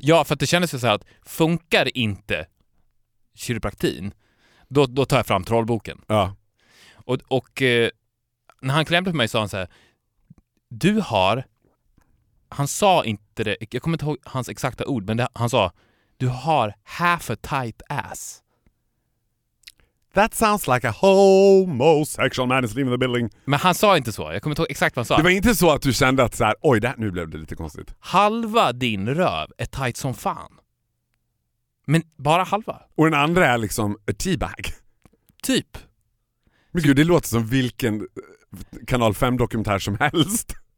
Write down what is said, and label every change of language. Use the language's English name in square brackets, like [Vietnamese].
[Swedish] Ja, för att det kändes så här, att funkar inte kiropraktin, då tar jag fram trollboken. Ja. Och när han klämde på mig sa han så här, du har... Han sa inte det, jag kommer inte ihåg hans exakta ord, men det, han sa, du har [English] half a tight ass. That sounds like a homosexual man is leaving the building. [Swedish] Men han sa inte så. Jag kommer inte ihåg exakt vad han sa. Det var inte så att du kände att så här, oj, det här, nu blev det lite konstigt. Halva din röv är tight som fan. Men bara halva. Och den andra är liksom [English] a teabag. [Swedish] Typ. Men gud, det låter som vilken Kanal 5-dokumentär som helst.